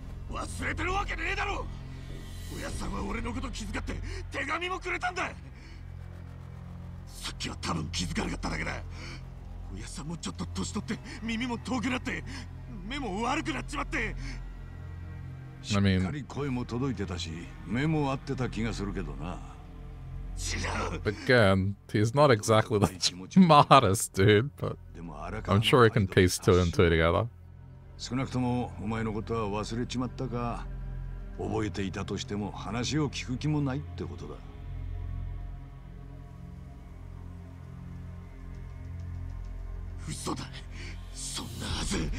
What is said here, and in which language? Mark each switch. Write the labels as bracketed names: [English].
[Japanese] 忘れてるわけねえだろ。おやさんは俺のこと気遣って手紙もくれたんだ。さっきは多分気づかなかっただけだ。おやさんもちょっと年取って耳も遠くなって目も悪くなっちまって。しっかり声も届いてたし目も合ってた気がするけどな。 [English] Again, he's not exactly the smartest dude, but I'm sure he can piece two and two together. [Japanese] 少なくともお前のことは忘れちまったか、覚えていたとしても話を聞く気もないってことだ。嘘だ。そんなはず。